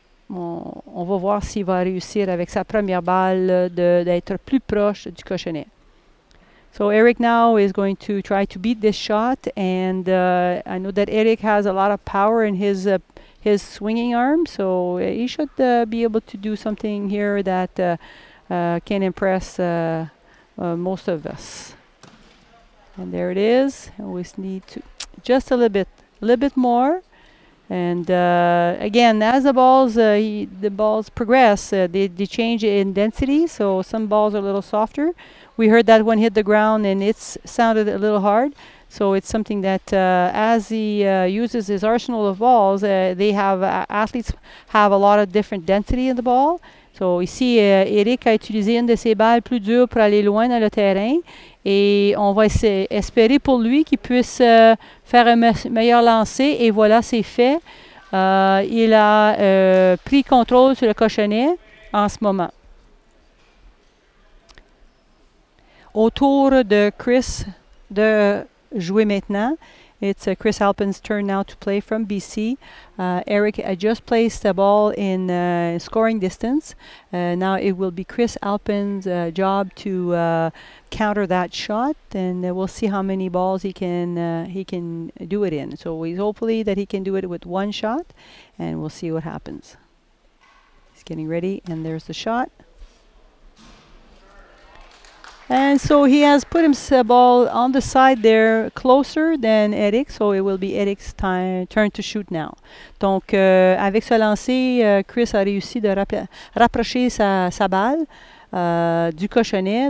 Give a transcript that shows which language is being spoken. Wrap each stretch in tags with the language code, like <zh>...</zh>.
<fr>On va voir s'il va réussir avec sa première balle d'être plus proche du cochonnet.</fr> <en>So Eric now is going to try to beat this shot, and I know that Eric has a lot of power in his swinging arm, so he should be able to do something here that can impress most of us. And there it is. We need to just a little bit more. And again, as the balls progress, they change in density. So some balls are a little softer. We heard that one hit the ground and it sounded a little hard. So it's something that as he uses his arsenal of balls, athletes have a lot of different density in the ball.</en> <fr>So ici, Eric a utilisé une de ses balles plus dures pour aller loin dans le terrain. Et on va espérer pour lui qu'il puisse faire un meilleur lancer. Et voilà, c'est fait. Il a pris contrôle sur le cochonnet en ce moment. Au tour de Chris de jouer maintenant.</fr> <en>It's Chris Halpin's turn now to play from BC. Eric just placed the ball in scoring distance. Now it will be Chris Halpin's job to counter that shot, and we'll see how many balls he can do it in. So hopefully that he can do it with one shot, and we'll see what happens. He's getting ready, and there's the shot. And so he has put his ball on the side there, closer than Eric, so it will be Eric's turn to shoot now.</en> <fr>Donc, avec ce lancer, Chris a réussi de rapprocher sa balle du cochonnet.</fr>